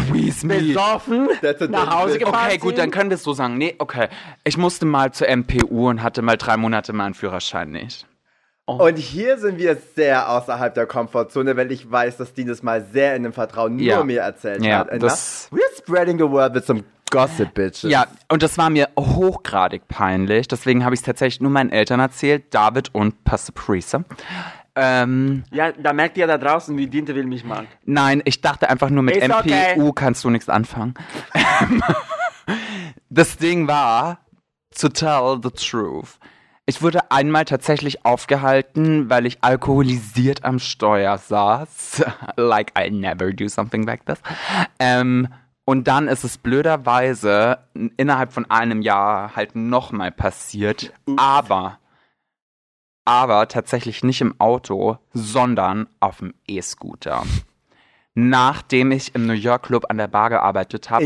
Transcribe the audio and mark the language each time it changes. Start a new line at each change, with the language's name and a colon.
English: Squeeze me.
German: Besoffen. Nach Hause gefahren. Okay, gut, dann können wir es so sagen. Nee, okay. Ich musste mal zur MPU und hatte mal 3 Monate meinen Führerschein nicht. Oh. Und hier sind wir sehr außerhalb der Komfortzone, weil ich weiß, dass Dean es mal sehr in dem Vertrauen nur mir erzählt hat. Das
English: we're spreading the word with some gossip bitches.
German: Ja, und das war mir hochgradig peinlich. Deswegen habe ich es tatsächlich nur meinen Eltern erzählt, David und Pastor Priester. Ja, da merkt ihr da draußen, wie Dean will mich mag. Nein, ich dachte einfach nur, mit ist MPU okay. kannst du nichts anfangen. Das Ding war,
English: to tell the truth.
German: Ich wurde einmal tatsächlich aufgehalten, weil ich alkoholisiert am Steuer saß.
English: Like, I never do something like this.
German: Und dann ist es blöderweise innerhalb von einem Jahr halt nochmal passiert. Aber tatsächlich nicht im Auto, sondern auf dem E-Scooter. Nachdem ich im New York Club an der Bar gearbeitet habe.